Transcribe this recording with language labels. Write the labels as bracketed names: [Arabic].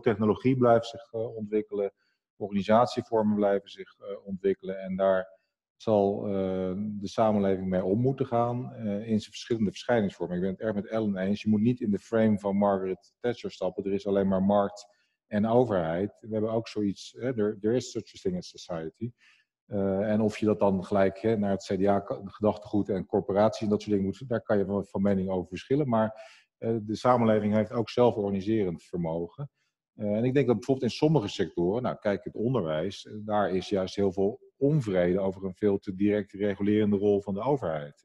[Dutch] Technologie blijft zich ontwikkelen. Organisatievormen blijven zich ontwikkelen. En daar zal de samenleving mee om moeten gaan. In zijn verschillende verschijningsvormen. Ik ben het erg met Ellen eens. Je moet niet in de frame van Margaret Thatcher stappen. Er is alleen maar markt en overheid. We hebben ook zoiets. [English] Hè, there is such a thing as society. [Dutch] En of je dat dan gelijk naar het CDA gedachtegoed en corporaties en dat soort dingen moet, daar kan je van mening over verschillen. Maar de samenleving heeft ook zelforganiserend vermogen. En ik denk dat bijvoorbeeld in sommige sectoren, nou kijk het onderwijs, daar is juist heel veel onvrede over een veel te direct regulerende rol van de overheid.